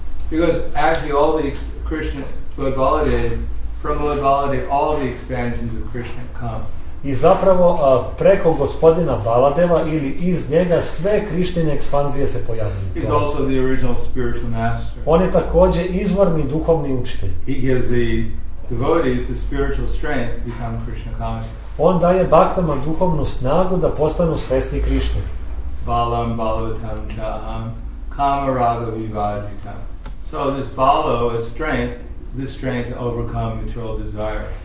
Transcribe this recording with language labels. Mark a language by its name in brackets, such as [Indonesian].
[English] Because actually all the Krishna, Lord Baladeva, from Lord Baladeva, all the expansions of Krishna come. [Serbian] I zapravo preko gospodina Baladeva ili iz njega sve Krišnine ekspanzije se pojavljuju. [English] He's also the original spiritual master. [Serbian] On je također izvorni duhovni učitelj. [English] He gives the devotees the spiritual strength to become Krishna conscious. [Serbian] On daje baktama duhovnu snagu da postanu svesni Krišne. [Sanskrit] Balam balavatam chaham kamarago vivajitam. [English] So this balo is strength, this strength to overcome material desire.